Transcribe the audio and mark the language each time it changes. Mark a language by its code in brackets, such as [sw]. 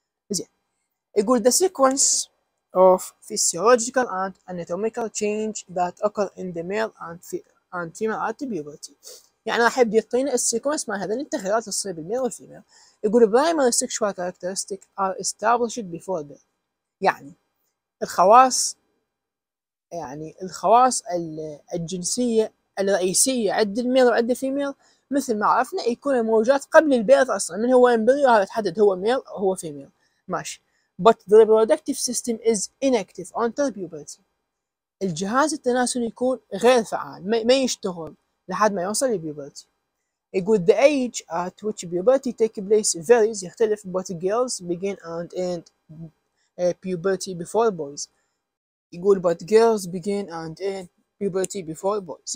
[ar] زين، يقول [en] the sequence of physiological and anatomical change that occur in the male and female at puberty. [ar] يعني راح يبدي يعطينا السيكونس مال هذين التغيرات اللي تصير بالميل والفيميل. يقول [en] primary sexual characteristics are established before birth. [ar] يعني الخواص، يعني الخواص الجنسيه الرئيسيه عند الميل وعند الفيميل مثل ما عرفنا يكون موجات قبل البيض اصلا، من هو امبريو هذا تحدد هو ميل او هو فيميل. ماشي. [en] But the reproductive system is inactive until puberty. [ar] الجهاز التناسلي يكون غير فعال، ما يشتغل لحد ما يوصل لبيوبرتي. يقول [en] the age at which puberty take place varies، [ar] يختلف، [en] but girls begin and end puberty before boys. [ar] يقول [en] but girls begin and end puberty before boys.